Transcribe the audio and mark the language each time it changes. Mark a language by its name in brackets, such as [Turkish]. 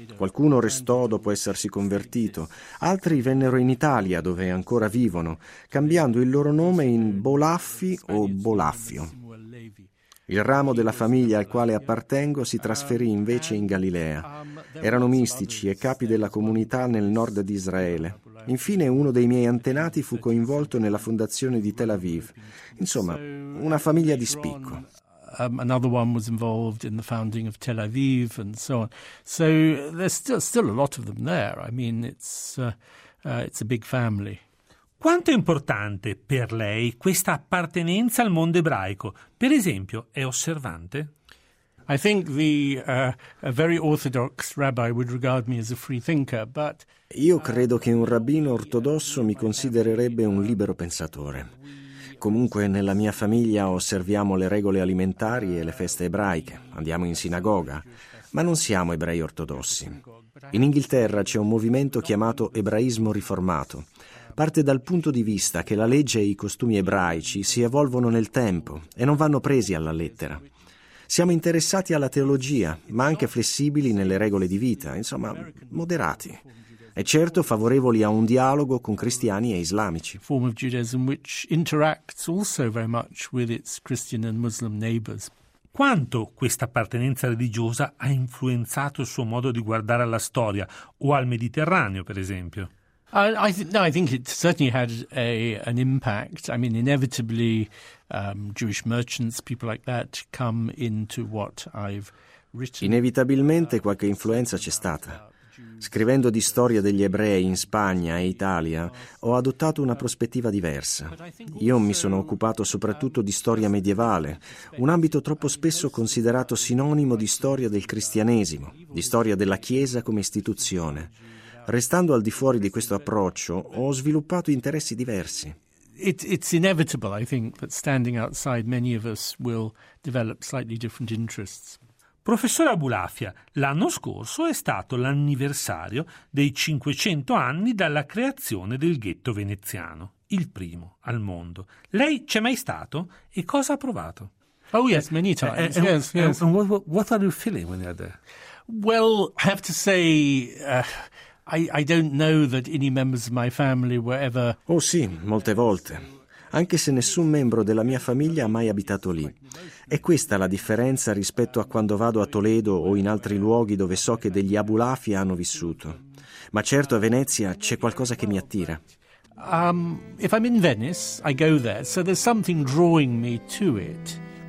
[Italian] Qualcuno restò dopo essersi convertito, altri vennero in Italia, dove ancora vivono, cambiando il loro nome in Bolaffi o Bolaffio. Il ramo della famiglia al quale appartengo si trasferì invece in Galilea. Erano mistici e capi della comunità nel nord di Israele. Infine, uno dei miei antenati fu coinvolto nella fondazione di Tel Aviv. Insomma, una famiglia di spicco. [English] Another one was involved in the founding of Tel Aviv and so on. So there's still a lot of them there. I mean, it's a big family. [Italian] Quanto è importante per lei questa appartenenza al mondo ebraico? Per esempio, è osservante? [English] I think a very orthodox rabbi would regard me as a free thinker, but. [Italian] Io credo che un rabbino ortodosso mi considererebbe un libero pensatore. Comunque, nella mia famiglia osserviamo le regole alimentari e le feste ebraiche, andiamo in sinagoga, ma non siamo ebrei ortodossi. In Inghilterra c'è un movimento chiamato ebraismo riformato. parte dal punto di vista che la legge e i costumi ebraici si evolvono nel tempo e non vanno presi alla lettera. Siamo interessati alla teologia, ma anche flessibili nelle regole di vita, insomma, moderati. E certo favorevoli a un dialogo con cristiani e islamici. [English] Form of Judaism which interacts also very much with its Christian and Muslim neighbors. [Italian] Quanto questa appartenenza religiosa ha influenzato il suo modo di guardare alla storia o al Mediterraneo, per esempio? [English] I think it certainly had an impact. I mean, inevitably Jewish merchants, people like that come into what I've written. [Italian] Inevitabilmente qualche influenza c'è stata. Scrivendo di storia degli ebrei in Spagna e Italia, ho adottato una prospettiva diversa. Io mi sono occupato soprattutto di storia medievale, un ambito troppo spesso considerato sinonimo di storia del cristianesimo, di storia della Chiesa come istituzione. Restando al di fuori di questo approccio, ho sviluppato interessi diversi. [English] It's inevitable, I think, that standing outside many of us will develop slightly different interests. [Italian] Professore Abulafia, l'anno scorso è stato l'anniversario dei 500 anni dalla creazione del ghetto veneziano, il primo al mondo. Lei c'è mai stato e cosa ha provato? [English] Oh yes, many times. Yes. And what are you feeling when you're there? Well, I have to say, I don't know that any members of my family were ever. [Italian] Oh sì, molte volte. Anche se nessun membro della mia famiglia ha mai abitato lì. È questa la differenza rispetto a quando vado a Toledo o in altri luoghi dove so che degli Abulafia hanno vissuto. Ma certo a Venezia c'è qualcosa che mi attira. [English] If I'm in Venice, I go there, so there's something drawing me to it.